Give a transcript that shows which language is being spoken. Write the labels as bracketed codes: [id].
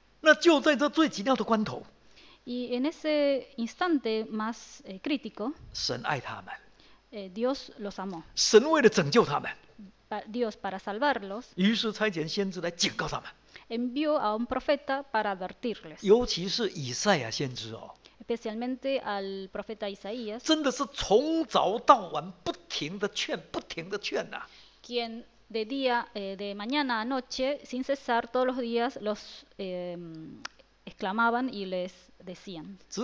[zh] 那就在这最急尿的关头, [es] y en ese instante más crítico, [zh] 神爱他们, [es] Dios los amó. [zh] 神为了拯救他们, [es] Dios para salvarlos, [zh] 于是差遣先知来警告他们, [es] envió a un profeta para advertirles. [zh] 尤其是以赛亚先知哦, [es] especialmente al profeta Isaías, [zh] 真的是从早到晚不停地劝, 不停地劝啊, [es] quien de día, de mañana a noche, sin cesar, todos los días los exclamaban y les decían.